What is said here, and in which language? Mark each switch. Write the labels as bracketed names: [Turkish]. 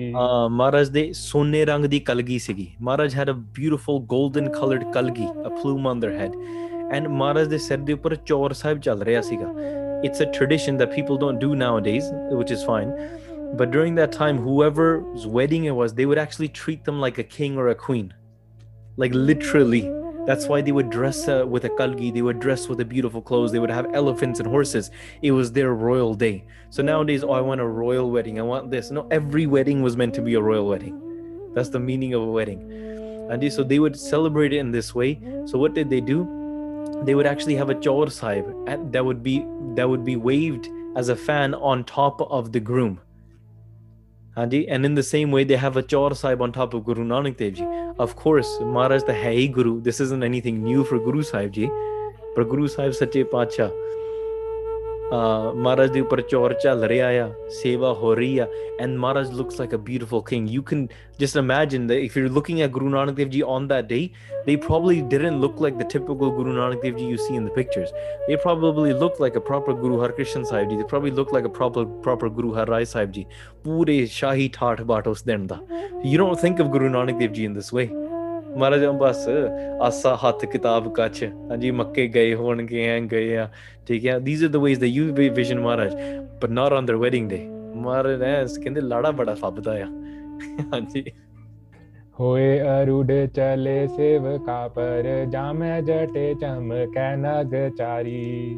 [Punjabi] ਹਾਂ ਮਹਾਰਾਜ ਦੇ ਸੋਨੇ ਰੰਗ ਦੀ ਕਲਗੀ ਸੀਗੀ [English] Maharaj had a beautiful golden coloured kalgi a plume on their head and [Punjabi] ਮਹਾਰਾਜ ਦੇ ਸਿਰ ਦੇ ਉੱਪਰ ਚੌਰ ਸਾਹਿਬ ਚੱਲ ਰਿਹਾ ਸੀਗਾ [English] It's a tradition that people don't do nowadays which is fine but during that time however wedding it was they would actually treat them like a king or a queen like literally That's why they would dress with a kalgi, they would dress with a beautiful clothes, they would have elephants and horses. It was their royal day. So nowadays, oh, I want a royal wedding, I want this. No, every wedding was meant to be a royal wedding. That's the meaning of a wedding. And so they would celebrate it in this way. So what did they do? They would actually have a chaur sahib that would be waved as a fan on top of the groom. And in the same way, they have a chaur sahib on top of Guru Nanak Dev Ji. Of course, Maharaj the Hai Guru, this isn't anything new for Guru Sahib Ji. But Guru Sahib Sache Pacha, [Punjabi] Maharaj de upar chaur chal reha ya, seva ho rahi ya, [English] and Maharaj looks like a beautiful king. You can just imagine that if you're looking at Guru Nanak Dev Ji on that day, they probably didn't look like the typical Guru Nanak Dev Ji you see in the pictures. They probably looked like a proper Guru Har Krishan Sahib Ji. They probably looked like a proper Guru Har Rai Sahib Ji. [Punjabi] Pure Shahi Thaath Baat us den da. [English] You don't think of Guru Nanak Dev Ji in this way. [Punjabi] ਮਹਾਰਾਜ ਬਸ ਆਸਾ ਹੱਥ ਕਿਤਾਬ ਕੱਚ ਹਾਂਜੀ ਮੱਕੇ ਗਏ ਹੋਣਗੇ ਐਂ ਗਏ ਆ ਠੀਕ ਹੈ [English] these are the ways that you vision [Punjabi] Maharaj [English] but not on their wedding day [Punjabi] ਮਹਾਰਾਜ ਐਸ ਕਹਿੰਦੇ ਲਾੜਾ ਬੜਾ ਫੱਬਦਾ ਆ ਹਾਂਜੀ ਹੋਏ ਅਰੂਡ ਚਲੇ ਸੇਵਕਾ ਪਰ ਜਾਮੈ ਜਟੇ ਚਮਕੈ ਨਗ ਚਾਰੀ